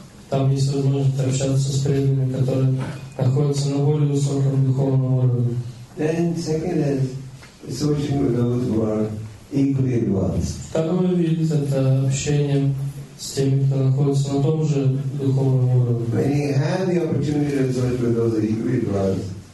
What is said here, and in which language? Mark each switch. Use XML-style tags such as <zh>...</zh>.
<ru>Там есть возможность общаться с преданными, которые находятся на более высоком духовном уровне.</ru> <en>Then second is associating with those who are equally advanced.</en> <ru>Второй вид — это общение с теми, кто находится на том же духовном уровне.</ru>